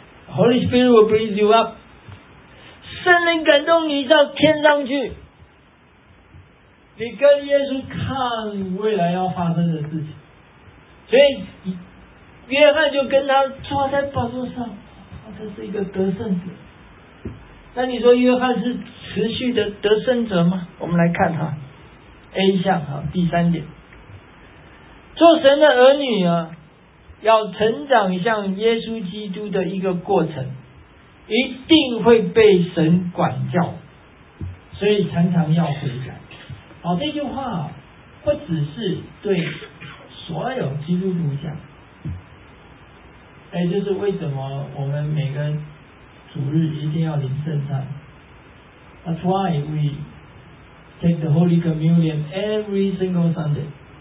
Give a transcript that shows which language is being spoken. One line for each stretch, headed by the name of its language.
English: Holy Spirit will bring you up.
Chinese: 圣灵感动你到天上去，你跟耶稣看未来要发生的事情。所以约翰就跟他坐在宝座上，他是一个得胜者。那你说约翰是持续的得胜者吗？我们来看哈 A 项哈，第三点，做神的儿女啊，要成长像耶稣基督的一个过程，一定会被神管教，所以常常要悔改。好，这句话不只是对所有基督徒讲，就是为什么我们每个主日一定要领圣餐。
English: That's why we take the Holy Communion every single Sunday.